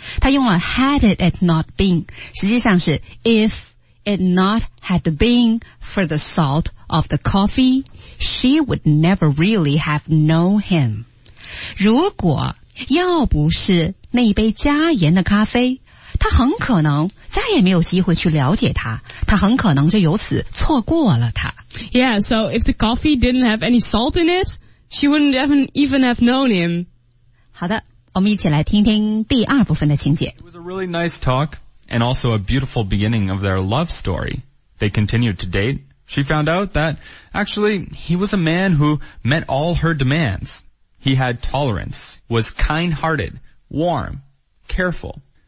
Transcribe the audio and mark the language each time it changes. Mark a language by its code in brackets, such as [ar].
[zh] 他用了 [en] had it not been, 实际上是 if it not had been for the salt of the coffee, she would never really have known him. [zh] 如果要不是那杯加盐的咖啡, 他很可能再也没有机会去了解他，他很可能就由此错过了他。 [en] Yeah, so if the coffee didn't have any salt in it, she wouldn't even have known him. [zh] 好的，我们一起来听听第二部分的情节。 [en] It was a really nice talk, and also a beautiful beginning of their love story. They continued to date. She found out that, actually, he was a man who met all her demands. He had tolerance, was kind-hearted, warm, careful.